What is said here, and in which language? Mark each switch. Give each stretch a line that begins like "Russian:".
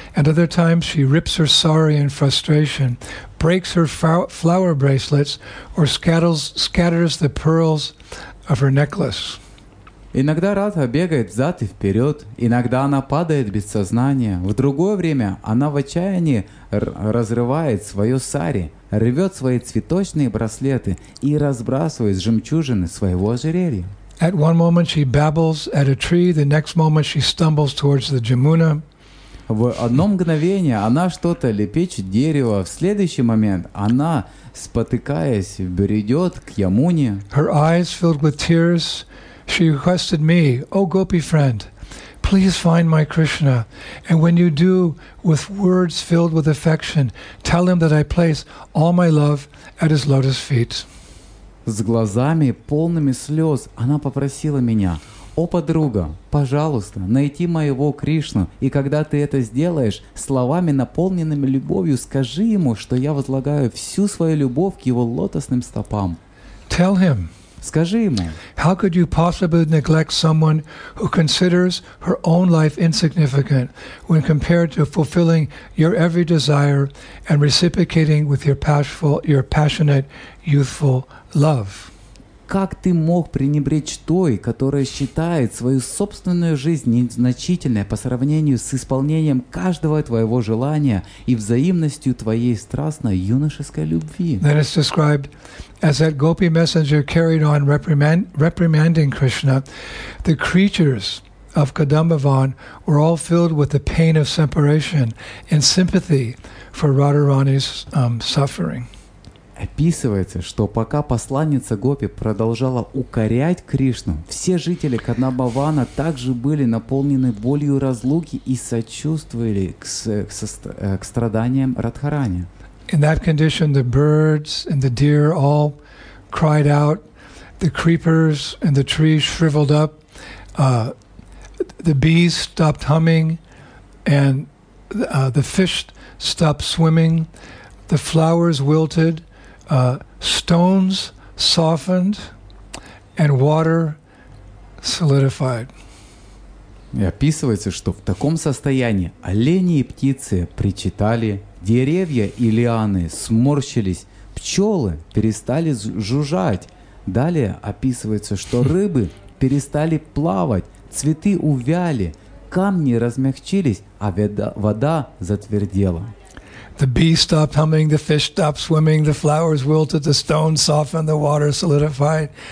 English: And other times she rips her sari in frustration, breaks her flower bracelets, or scatters the pearls of her necklace.
Russian: Иногда Радха бегает взад и вперед, иногда она падает без сознания. В другое время она в отчаянии разрывает свое сари, рвет свои цветочные браслеты и разбрасывает жемчужины своего ожерелья.
English: At one moment she babbles at a tree, the next moment she stumbles towards the Jamuna.
Russian: В одно мгновение она что-то лепечет дерево, в следующий момент она, спотыкаясь, бредет к Ямуне.
English: Her eyes filled with tears. She requested me, O gopi friend, please find my Krishna. And when you do, with words filled with affection, tell him that I place all my love at his lotus feet.
Russian: С глазами, полными слез, она попросила меня, «О, подруга, пожалуйста, найди моего Кришну, и когда ты это сделаешь, словами, наполненными любовью, скажи ему, что я возлагаю всю свою любовь к его лотосным стопам».
English: Tell him.
Russian: Скажи ему.
English: How could you possibly neglect someone who considers her own life insignificant when compared to fulfilling your every desire and reciprocating with your passionate, youthful love?
Russian: Как ты мог пренебречь той, которая считает свою собственную жизнь незначительной по сравнению с исполнением каждого твоего желания и взаимностью твоей страстной юношеской любви?
English: Then it's described as that gopi messenger carried on reprimanding Krishna, the creatures of Kadambavan were all filled with the pain of separation and sympathy for Radharani's suffering.
Russian: Описывается, что пока посланница Гопи продолжала укорять Кришну, все жители Кадамбавана также были наполнены болью разлуки и сочувствовали к страданиям Радхарани.
English: In that condition, the birds and the deer all cried out, the creepers and the trees shriveled up, the bees stopped humming, and the fish stopped swimming, the flowers wilted, stones softened and water solidified.
Russian: И описывается, что в таком состоянии олени и птицы причитали, деревья и лианы сморщились, пчелы перестали жужжать. Далее описывается, что рыбы перестали плавать, цветы увяли, камни размягчились, а вода затвердела.
English: The bees stopped humming, the fish stopped swimming, the flowers wilted, the stones softened, the water solidified.